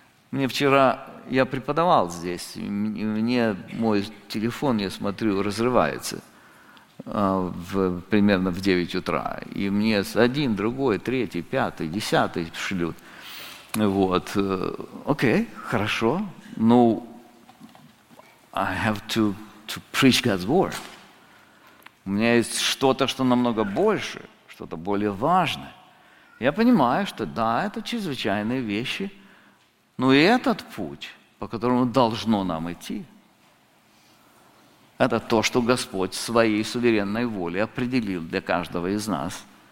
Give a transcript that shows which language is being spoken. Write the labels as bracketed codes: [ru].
[ru] Мне вчера, я преподавал здесь, мне мой телефон, я смотрю, разрывается примерно в 9 утра. И мне один, другой, третий, пятый, десятый шлют. Вот. Окей, хорошо. [en] Ну, I have to preach God's word. [ru] У меня есть что-то, что намного больше, что-то более важное. Я понимаю, что да, это чрезвычайные вещи, но и этот путь, по которому должно нам идти. Это то, что Господь своей суверенной волей определил для каждого из нас.